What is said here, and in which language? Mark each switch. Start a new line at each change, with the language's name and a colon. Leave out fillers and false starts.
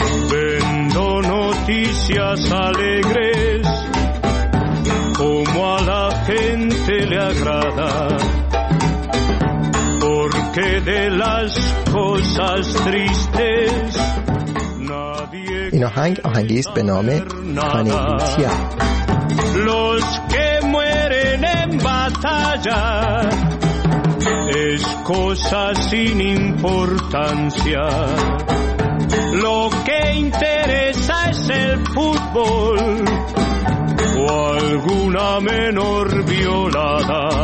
Spanish: Vendo noticias alegres, como a la gente le agrada, porque de las cosas tristes.
Persian: این آهنگ آهنگی است به نام هانیتیا.
Spanish: Los que mueren en batalla es cosa sin importancia. Lo que interesa es el fútbol o alguna menor violada.